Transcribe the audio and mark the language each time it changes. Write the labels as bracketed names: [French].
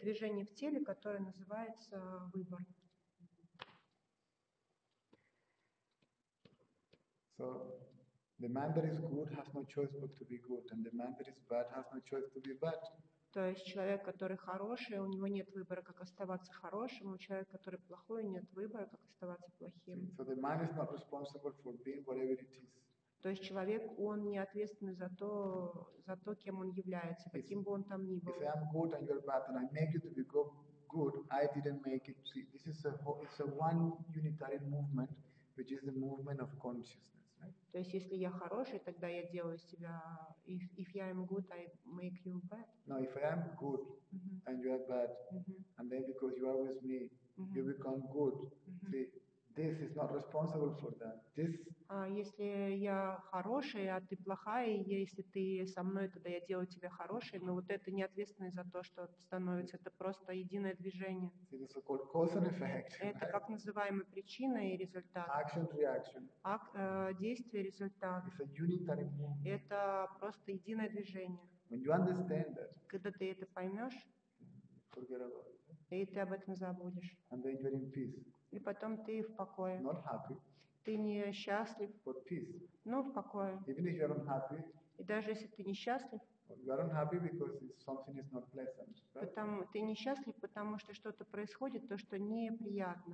[Russian] движение в теле, которое называется выбор. [English] So the man that is good has no choice but to be good, and the man that is bad has no choice to be bad. [Russian] То есть человек, который хороший, у него нет выбора, как оставаться хорошим, у человека, который плохой, нет выбора, как оставаться плохим. [English] So the mind is not responsible for being whatever it is. [Russian] То есть человек, он не ответственный за то, кем он является, каким бы он там ни был. [English] If I am good and you're bad and I make you to be good, I didn't make it. See, this is it's a one unitary movement, which is the movement of consciousness. [Russian] То есть, если я хороший, тогда я делаю себя. [English] If I am good, I make you bad. No, if I am good mm-hmm. and you are bad, mm-hmm. and then because you are with me, mm-hmm. you become good. Mm-hmm. See, this is not responsible for that. This. [Russian] Если я хороший, а ты плохая, если ты со мной, тогда я делаю тебя хорошей. Но вот это не ответственность за то, что становится. Это просто единое движение. [English] See, this is called cause and effect. [Russian] Это как называемая причина и результат. [English] Action reaction. [Russian] Действие результат. [English] It's a unitary movement. [Russian] Это просто единое движение. [English] When you understand that. [Russian] Когда ты это поймешь. [English] Forget about [Russian] it. И ты об этом забудешь. [English] And then you're in peace. [Russian] И потом ты в покое. [English] Not happy, [Russian] ты не счастлив. [English] But peace. [Russian] Но в покое. [English] Even if you are unhappy, [Russian] и даже если ты несчастлив. [English] You are unhappy because something is not pleasant, right? [Russian] Потому ты несчастлив, потому что что-то происходит, то, что неприятно.